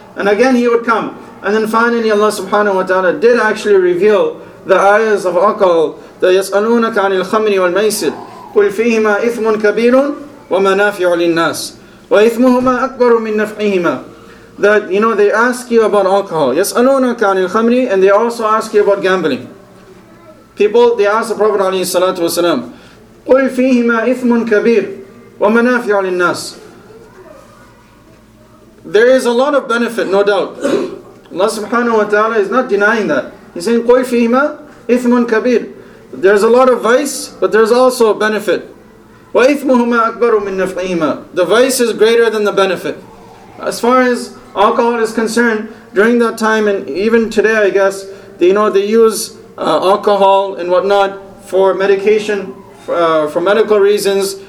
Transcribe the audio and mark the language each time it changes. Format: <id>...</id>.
<en>And again, he would come. And then finally, Allah subhanahu wa ta'ala did actually reveal the ayahs of alcohol.</en> <ar>The يَسْأَلُونَكَ عَنِ الْخَمْرِ وَالْمَيْسِرِ قُلْ فِيهِمَا إِثْمٌ كَبِيرٌ وَمَنَافِعُ لِلنَّاسِ وَإِثْمُهُمَا أَكْبَرُ مِنْ نَفْعِهِمَا.</ar> <en>That, you know, they ask you about alcohol.</en> <ar>يَسْأَلُونَكَ عَنِ الْخَمْرِ,</ar> <en>and they also ask you about gambling. People, they ask the Prophet</en> <ar>عليه الصلاة والسلام, قُلْ فِيهِمَا إِثْمٌ كَبِيرٌ وَمَنَافِعُ لِلنَّاسِ.</ar> <en>There is a lot of benefit, no doubt. Allah subhanahu wa ta'ala is not denying that. He's saying,</en> <ar>قُلْ فِيهِمَا إِثْمٌ كَبِيرٌ.</ar> <en>There's a lot of vice, but there's also a benefit.</en> <ar>وَإِثْمُهُمَا أَكْبَرُ مِنْ نَفْعِهِمَا.</ar> <en>The vice is greater than the benefit. As far as alcohol is concerned, during that time, and even today, I guess, they, you know, they use alcohol and whatnot for medication, for medical reasons.</en>